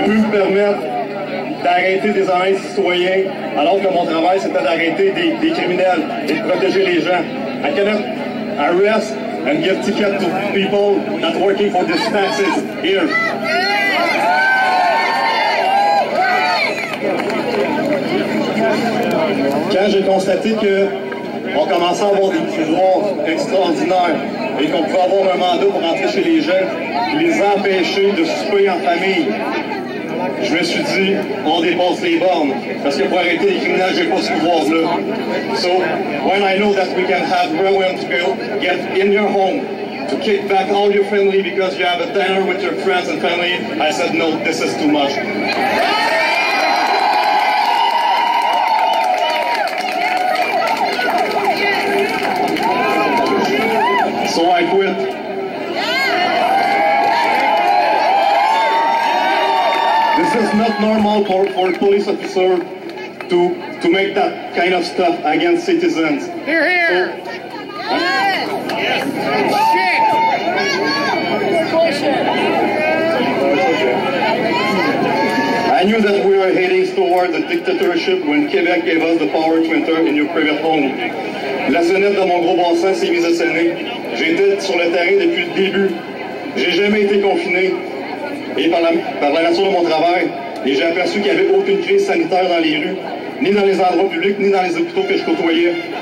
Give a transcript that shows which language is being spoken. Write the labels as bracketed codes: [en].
[fr] Permettre d'arrêter des arrêts citoyens alors que mon travail c'était d'arrêter des criminels et de protéger les gens. [en] I cannot arrest and give tickets to people not working for these taxes here. [fr] Quand j'ai constaté qu'on commençait à avoir des pouvoirs extraordinaires et qu'on pouvait avoir un mandat pour rentrer chez les jeunes et les empêcher de souper en famille, je me suis dit, on dépasse les bornes, parce que pour arrêter les criminels, j'ai pas ce pouvoir-là. [en] So, when I know that we can have Rowan to go get in your home, to kick back all your family because you have a dinner with your friends and family, I said, no, this is too much. So I quit. It's not normal for a police officer to make that kind of stuff against citizens. Hear, hear! Yes. Shit! I knew that we were heading towards a dictatorship when Quebec gave us the power to enter in your private home. [fr] La sonnette de mon gros bon sens s'est mise à sonner. J'étais sur le terrain depuis le début. J'ai jamais été confiné. Et par la nature de mon travail, et j'ai aperçu qu'il n'y avait aucune crise sanitaire dans les rues, ni dans les endroits publics, ni dans les hôpitaux que je côtoyais.